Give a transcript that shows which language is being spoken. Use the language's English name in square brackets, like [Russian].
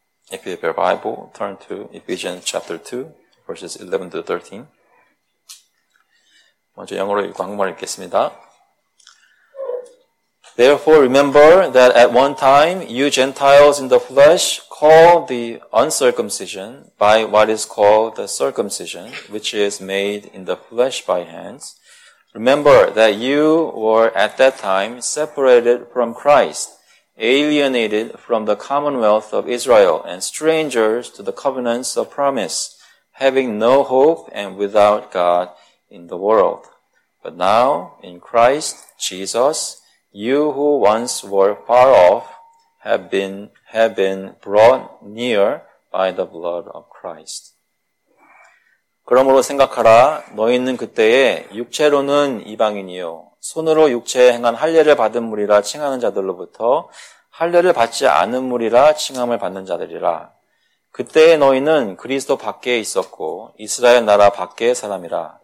[English] If you have your Bible, turn to Ephesians chapter 2 verses 11 through 13. [Korean] 먼저 영어로 읽고 한국말 읽겠습니다. [English] Therefore remember that at one time you Gentiles in the flesh called the uncircumcision by what is called the circumcision, which is made in the flesh by hands. Remember that you were at that time separated from Christ, alienated from the commonwealth of Israel, and strangers to the covenants of promise, having no hope and without God in the world. But now, in Christ Jesus, you who once were far off have been brought near by the blood of Christ. [Korean] 그러므로 생각하라, 너희는 그때에 육체로는 이방인이요 손으로 육체에 행한 할례를 받은 무리라 칭하는 자들로부터 할례를 받지 않은 무리라 칭함을 받는 자들이라. 그때에 너희는 그리스도 밖에 있었고 이스라엘 나라 밖에의 사람이라.